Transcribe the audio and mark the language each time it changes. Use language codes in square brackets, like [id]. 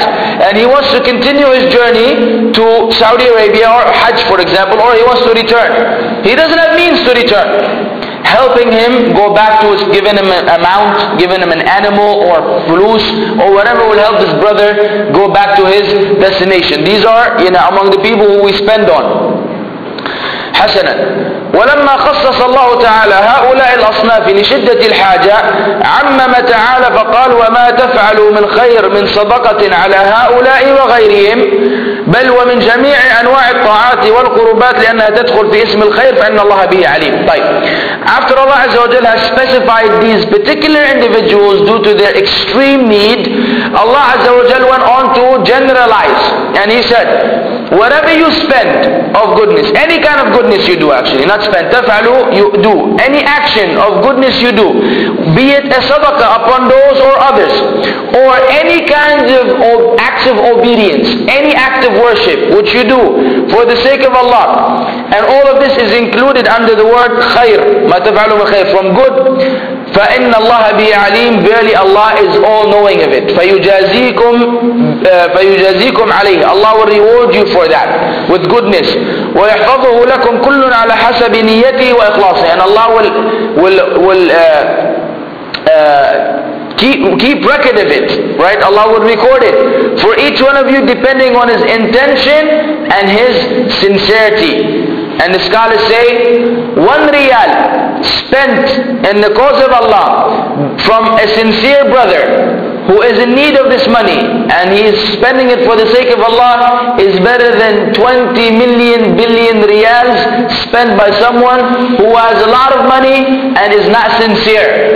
[en] And he wants to continue his journey to Saudi Arabia or Hajj, for example, or he wants to return. He doesn't have means to return. Helping him go back to his, giving him an amount, giving him an animal or fulus or whatever will help his brother go back to his destination. These are, you know, among the people who we spend on. [ar] حسناً. ولما خصص الله تعالى هؤلاء الأصناف لشدة الحاجة عمم تعالى فقال وما تفعل من خير من صدقة على هؤلاء وغيرهم بل ومن جميع أنواع الطاعات والقربات لأنها تدخل في اسم الخير فإن الله به عليم. طيب. [en] After Allah Azza wa Jalla has specified these particular individuals due to their extreme need, Allah Azza wa Jalla went on to generalize and He said, whatever you spend of goodness, any kind of goodness you do actually, not spend, تفعلوا, you do. Any action of goodness you do, be it a sadaqah upon those or others, or any kind of acts of obedience, any act of worship which you do for the sake of Allah, and all of this is included under the word khair, [ar] ما تفعلوا من خير, [en] from good, [ar] فَإِنَّ اللَّهَ بِهِ عَلِيمٌ. [en] Verily Allah is all knowing of it. [ar] فَيُجَازِيكُمْ عَلَيْهِ. [en] Allah will reward you for for that with goodness. [ar] ويحفظه لكم كل على حسب نيته وإخلاصه. [en] And Allah will keep record of it, right? Allah will record it for each one of you depending on his intention and his sincerity. And the scholars say, ₹1 spent in the cause of Allah from a sincere brother who is in need of this money and he is spending it for the sake of Allah is better than 20 million billion riyals spent by someone who has a lot of money and is not sincere.